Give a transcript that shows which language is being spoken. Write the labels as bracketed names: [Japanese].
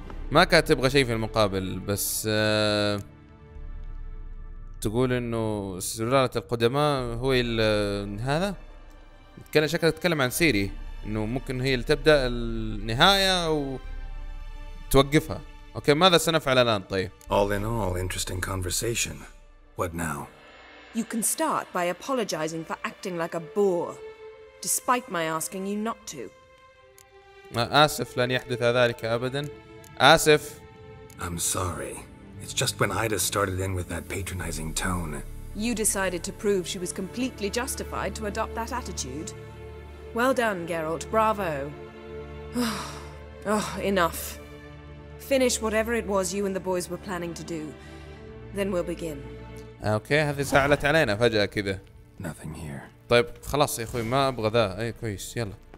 [Arabic] ما كانت تبغى شيء في المقابل بس تقول انه سلالة القدماء هو الـ هذا؟ كان شكلها تتكلم عن سيري انه ممكن هي اللي تبدا النهايه او توقفها اوكي ماذا سنفعل الان طيب [English] all in all interesting conversation what now you can start by apologizing for acting like a boor despite my asking you not to [Arabic] اسف لن يحدث ذلك ابدا اسف [English] i'm sorry it's just when ida started in with that patronizing tone You decided to prove she was completely justified to adopt that attitude. Well done, Geralt. Bravo. Oh, enough. Finish whatever it was you and the boys were planning to do. Then we'll begin. [Arabic] Okay, هذه زعلت علينا فجأة كذا. [English] Nothing here. [Arabic] طيب خلاص يا أخوي ما أبغى ذا. أي كويس يلا.